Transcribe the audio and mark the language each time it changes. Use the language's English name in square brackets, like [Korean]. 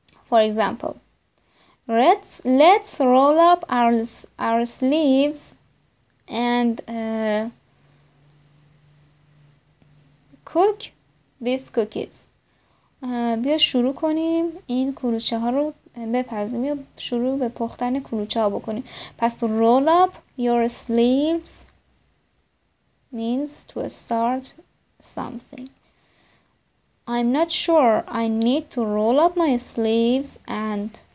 [English] For example, let's roll up our sleeves and cook these cookies. [Persian] بیا شروع کنیم این کلوچه ها رو بپزیم، یا شروع به پختن کلوچه ها بکنیم. پس [English] roll up your sleeves means to start something. I'm not sure. I need to roll up my sleeves and